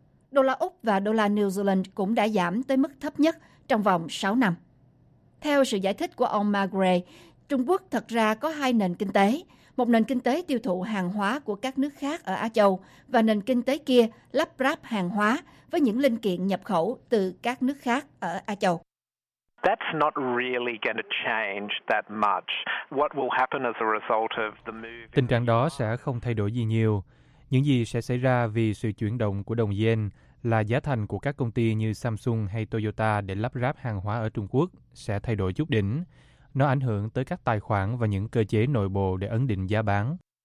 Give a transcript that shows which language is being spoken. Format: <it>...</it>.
<vi>Đô la Úc và đô la New Zealand cũng đã giảm tới mức thấp nhất trong vòng 6 năm. Theo sự giải thích của ông McGray, Trung Quốc thật ra có hai nền kinh tế. Một nền kinh tế tiêu thụ hàng hóa của các nước khác ở Á Châu và nền kinh tế kia lắp ráp hàng hóa với những linh kiện nhập khẩu từ các nước khác ở Á Châu.</vi> <en>That's not really going to change that much. What will happen as a result of the move?</en> <vi>Tình trạng đó sẽ không thay đổi gì nhiều. Những gì sẽ xảy ra vì sự chuyển động của đồng yên là giá thành của các công ty như Samsung hay Toyota để lắp ráp hàng hóa ở Trung Quốc sẽ thay đổi chút đỉnh. Nó ảnh hưởng tới các tài khoản và những cơ chế nội bộ để ấn định giá bán.</vi>